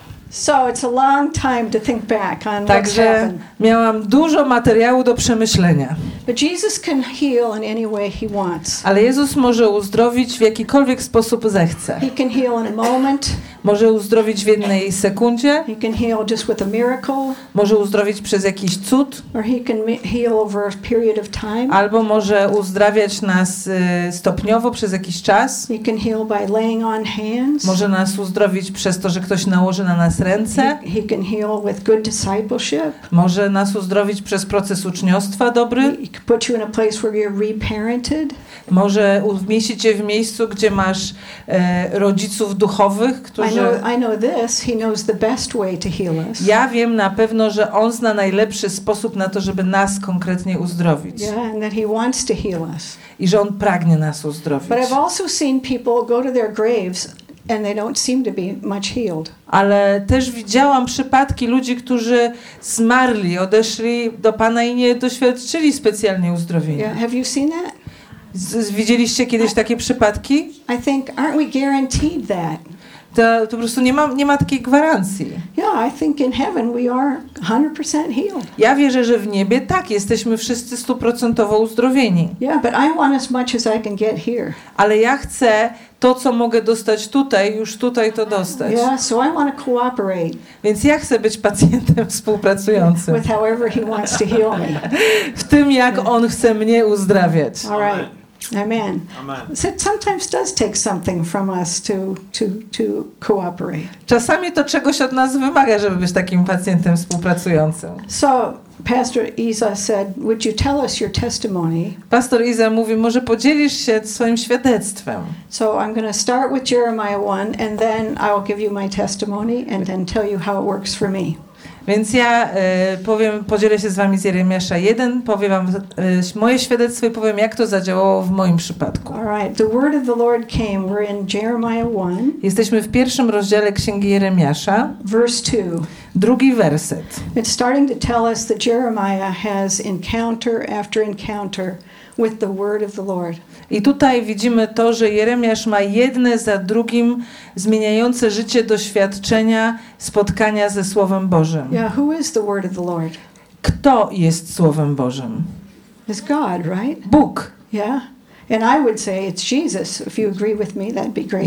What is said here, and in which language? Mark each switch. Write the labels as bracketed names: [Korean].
[English] So it's a long time to think back on. [Polish] Także miałam dużo materiału do przemyślenia. [English] But Jesus can heal in any way he wants. [Polish] Ale Jezus może uzdrowić w jakikolwiek sposób zechce. [English] He can heal in a moment. [Polish] Może uzdrowić w jednej sekundzie. [English] He can heal just with a miracle. [Polish] Może uzdrowić przez jakiś cud. [English] Or he can heal over a period of time. [Polish] Albo może uzdrawiać nas stopniowo przez jakiś czas. [English] He can heal by laying on hands. [Polish] Może nas uzdrowić przez to, że ktoś nałoży na nas ręce. [English] He can heal with good discipleship. [Polish] Może nas uzdrowić przez proces uczniostwa dobry. [English] He can put you in a place where you're reparented. [Polish] Może umieścić cię w miejscu, gdzie masz rodziców duchowych, którzy... [English] I know this. He knows the best way to heal us. [Polish] Ja wiem na pewno, że on zna najlepszy sposób na to, żeby nas konkretnie uzdrowić. [English] Yeah, and that he wants to heal us. [Polish] I że on pragnie nas uzdrowić. [English] But I've also seen people go to their graves and they don't seem to be much healed. [Polish] Ale też widziałam przypadki ludzi, którzy zmarli, odeszli do Pana i nie doświadczyli specjalnie uzdrowienia. [English] Yeah, have you seen that? [Polish] Widzieliście kiedyś takie przypadki? [English] I think, aren't we guaranteed that? [Polish] To po prostu nie ma takiej gwarancji. [English] Yeah, I think in heaven we are 100% healed. [Polish] Ja wierzę, że w niebie tak, jesteśmy wszyscy stuprocentowo uzdrowieni. [English] Yeah, but I want as much as I can get here. [Polish] Ale ja chcę to, co mogę dostać tutaj, już tutaj to dostać. [English] Yeah, so I want to cooperate. [Polish] Więc ja chcę być pacjentem współpracującym. [English] With however he wants to heal me. [Polish] W tym, jak on chce mnie uzdrawiać. [English] All right. Amen. [Polish] Amen. [English] So sometimes does take something from us to cooperate. [Polish] Czasami to czegoś od nas wymaga, żeby być takim pacjentem współpracującym. [English] So Pastor Iza said, would you tell us your testimony? [Polish] Pastor Iza mówi, może podzielisz się swoim świadectwem. [English] So I'm going to start with Jeremiah 1 and then I will give you my testimony and then tell you how it works for me. [Polish] Więc ja podzielę się z wami z Jeremiasza 1, powiem wam moje świadectwo i powiem, jak to zadziałało w moim przypadku. [English] All right. The word of the Lord came. We're in Jeremiah 1. [Polish] Jesteśmy w pierwszym rozdziale Księgi Jeremiasza. [English] Verse 2. [Polish] Drugi werset. [English] It's starting to tell us that Jeremiah has encounter after encounter with the word of the Lord. [Polish] I tutaj widzimy to, że Jeremiasz ma jedne za drugim zmieniające życie doświadczenia spotkania ze Słowem Bożym. [English] Yeah, who is the word of the Lord? [Polish] Kto jest Słowem Bożym? [English] It's God, right? [Polish] Bóg. [English] Yeah. And I would say it's Jesus. If you agree with me, that'd be great.